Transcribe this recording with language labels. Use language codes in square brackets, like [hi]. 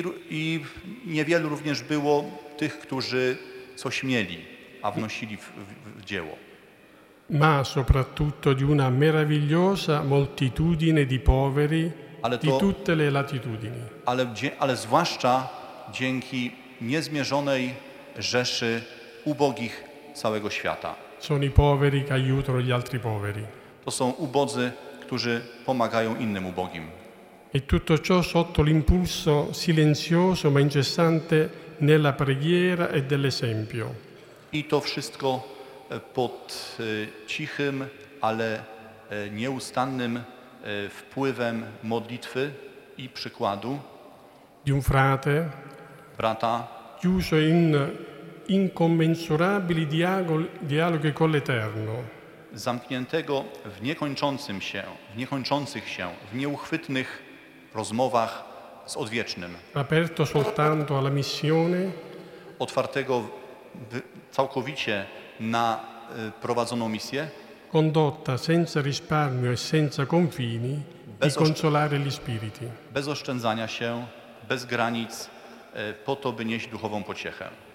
[pl] I niewielu również było tych, którzy coś mieli, a wnosili w dzieło. [it] Ma soprattutto di una meravigliosa moltitudine di poveri di tutte le latitudini. [pl] Ale zwłaszcza dzięki niezmierzonej rzeszy ubogich całego świata. [it] Sono i poveri che aiutano gli altri poveri. [pl] To są ubodzy, którzy pomagają innym ubogim. [it] E tutto ciò sotto l'impulso silenzioso ma incessante nella preghiera e dell'esempio. [pl] I to wszystko pod cichym, ale nieustannym wpływem modlitwy i przykładu. [it] Di un frate. [pl] Brata. [it] Chiuso in incommensurabili dialoghi con l'Eterno. [pl] Zamkniętego w niekończącym się, w niekończących się, w nieuchwytnych rozmowach z Odwiecznym. [it] Aperto soltanto alla missione. [pl] Otwartego całkowicie na prowadzoną misję. [it] Condotta senza risparmio e senza confini di consolare gli spiriti. [pl] Bez oszczędzania się, bez granic, po to, by nieść duchową pociechę.